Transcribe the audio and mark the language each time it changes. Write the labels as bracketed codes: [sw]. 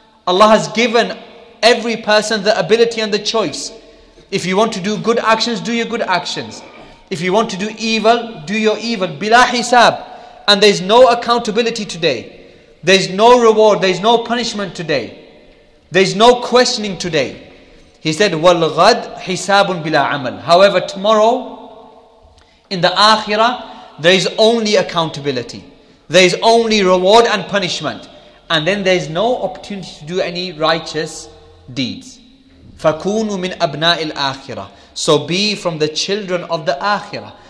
[en] Allah has given every person the ability and the choice. If you want to do good actions, do your good actions. If you want to do evil, do your evil. [ar] Bila hisab. [en] And there's no accountability today. There's no reward. There's no punishment today. There's no questioning today. He said, [ar] وَالْغَدْ حِسَابٌ بِلَا عَمَلٍ. [en] However, tomorrow, in the Akhirah, there is only accountability. There is only reward and punishment. And then there is no opportunity to do any righteous deeds. [ar] فَكُونُوا مِنْ أَبْنَاءِ الْآخِرَةِ. [en] So be from the children of the Akhirah.